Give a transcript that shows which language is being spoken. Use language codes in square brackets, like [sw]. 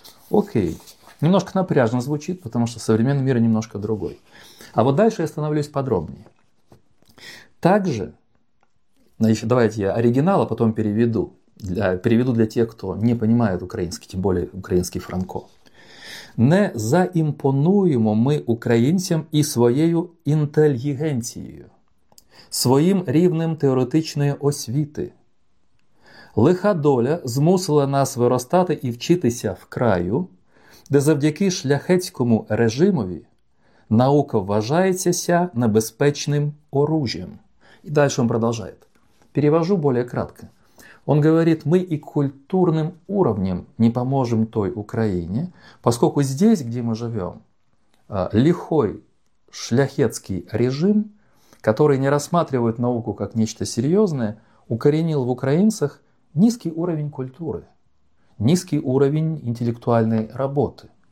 [ru] Окей, немножко напряжно звучит, потому что современный мир немножко другой. А вот дальше я остановлюсь подробнее. Также, значит, давайте я оригинал, а потом переведу. Переведу для тех, кто не понимает украинский, тем более украинский франко. [uk] Не заімпонуємо ми українцям і своєю інтелігенцією, своїм рівнем теоретичної освіти. Лиха доля змусила нас виростати і вчитися в краю, де завдяки шляхетському режимові наука вважається небезпечним оружием. І далі він продовжує. Перевожу більш кратко. [ru] Он говорит, мы и культурным уровнем не поможем той Украине, поскольку здесь, где мы живем, лихой шляхетский режим, который не рассматривает науку как нечто серьезное, укоренил в украинцах низкий уровень культуры, низкий уровень интеллектуальной работы.